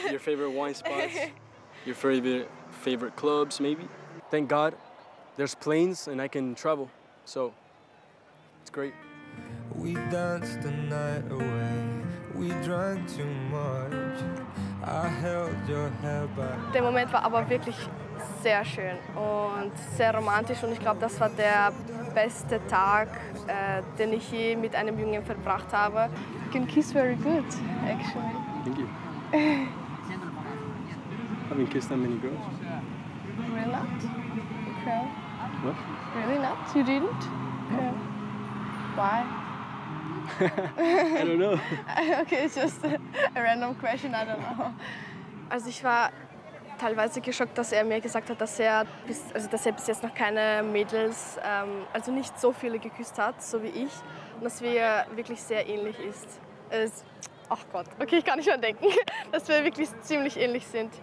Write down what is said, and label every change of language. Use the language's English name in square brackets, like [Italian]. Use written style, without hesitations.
[English] it. Your favorite wine spots. Your favorite clubs, maybe. Thank God. There's planes and I can travel, so it's great. We danced the night away, we drank too much, I held your hair back. [German] Der Moment war aber wirklich sehr schön und sehr romantisch und ich glaube, das war der beste Tag, den ich je mit einem Jungen verbracht habe. [English] You can kiss very good, actually. Thank you. Haven't kissed that many girls. Really not? Okay. What? Really not? You didn't? No. Why? I don't know. Okay, it's just a random question, I don't know. [German] Also ich war teilweise geschockt, dass er mir gesagt hat, dass er bis jetzt noch keine Mädels, also nicht so viele geküsst hat, so wie ich. Und dass wir wirklich sehr ähnlich ist. Ach Gott, okay, ich kann nicht mehr denken, dass wir wirklich ziemlich ähnlich sind.